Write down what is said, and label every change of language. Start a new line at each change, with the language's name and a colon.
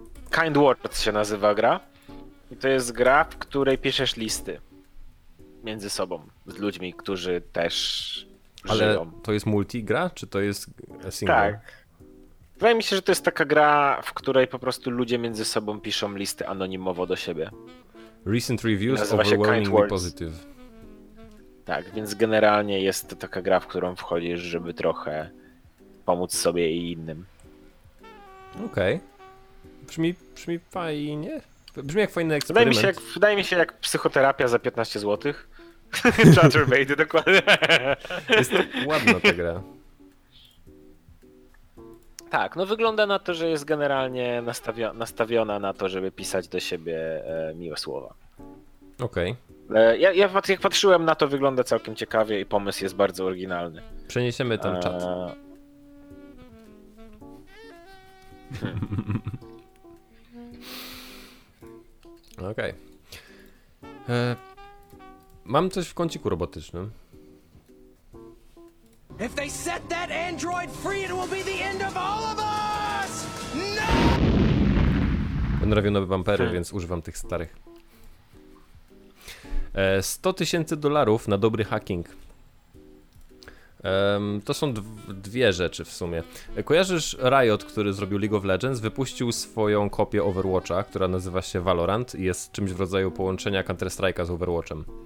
Polish: Kind Words się nazywa gra. I to jest gra, w której piszesz listy między sobą, z ludźmi, którzy też żyją. Ale to jest multigra, czy to jest single? Tak. Wydaje mi się, że to jest taka gra, w której po prostu ludzie między sobą piszą listy anonimowo do siebie.
English: Recent reviews overwhelmingly positive.
Polish: Tak, więc generalnie jest to taka gra, w którą wchodzisz, żeby trochę pomóc sobie i innym. Okej.
English: Okay.
Polish: Brzmi fajnie. Brzmi jak fajny eksperyment. Wydaje mi się jak psychoterapia za 15 zł. Chatterbait, dokładnie. Jest ładna ta gra. Tak, no wygląda na to, że jest generalnie nastawiona na to, żeby pisać do siebie miłe słowa. Okej.
English: Okay.
Polish: Ja jak patrzyłem na to, wygląda całkiem ciekawie i pomysł jest bardzo oryginalny. Przeniesiemy ten czat. Okej.
English: Okay.
Polish: Mam coś w kąciku robotycznym.
English: If they set that android free, it will be the end of all of us! No!
Polish: Będę robił nowe bampery, więc używam tych starych. $100,000 na dobry hacking. To są dwie rzeczy w sumie. Kojarzysz Riot, który zrobił League of Legends, wypuścił swoją kopię Overwatcha, która nazywa się Valorant i jest czymś w rodzaju połączenia Counter-Strike'a z Overwatchem.